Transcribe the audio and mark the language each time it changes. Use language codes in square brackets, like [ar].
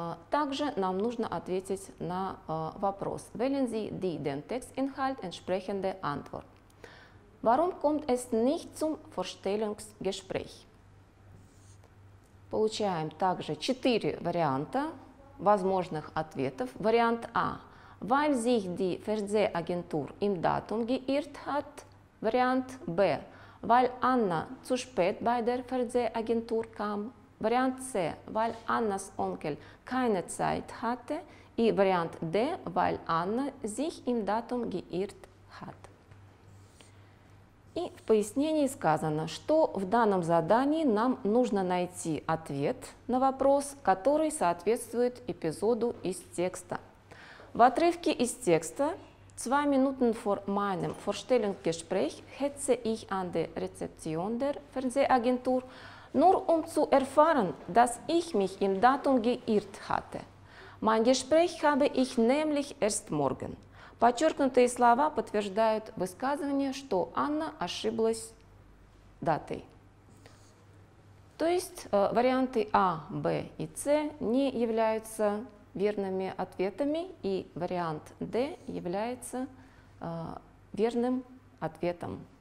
[ru] Также нам нужно ответить на вопрос. [de] Wählen Sie den Textinhalt entsprechende Antwort. Warum kommt es nicht zum Vorstellungsgespräch? [ru] Получаем также 4 варианта возможных ответов. Вариант А. [de] Weil sich die Fernsehagentur im Datum geirrt hat. [ru] Вариант Б. [de] Weil Anna zu spät bei der Fernsehagentur kam. [ru] Вариант С. [de] Weil Annas Onkel keine Zeit hatte. [ru] И вариант Д. [de] Weil Anna sich im Datum geirrt hat. [ru] И в пояснении сказано, что в данном задании нам нужно найти ответ на вопрос, который соответствует эпизоду из текста. В отрывке из текста [de] «Zwei Minuten vor meinem Vorstellungsgespräch hetze ich an der Rezeption der Fernsehagentur, nur um zu erfahren, dass ich mich im Datum geirrt hatte. Mein Gespräch habe ich nämlich erst morgen». [ru] Подчеркнутые слова подтверждают высказывание, что Анна ошиблась датой. То есть варианты А, Б и С не являются верными ответами, и вариант Д является верным ответом.